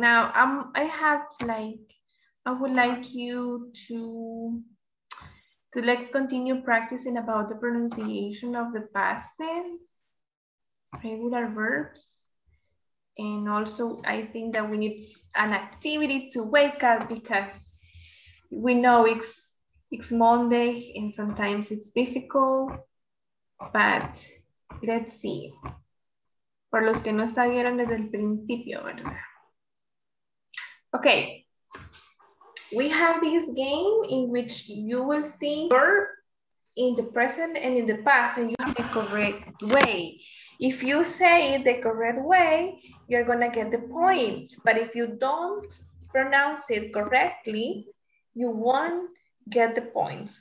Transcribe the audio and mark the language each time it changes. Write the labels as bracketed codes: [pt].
[en] Now, I would like you to let's continue practicing about the pronunciation of the past tense, regular verbs, and also I think that we need an activity to wake up because we know it's Monday and sometimes it's difficult, but let's see. [es] Por los que no estuvieron desde el principio, ¿verdad? [en] Okay. We have this game in which you will see verb in the present and in the past, and you have the correct way. If you say the correct way, you're going to get the points. But if you don't pronounce it correctly, you won't get the points.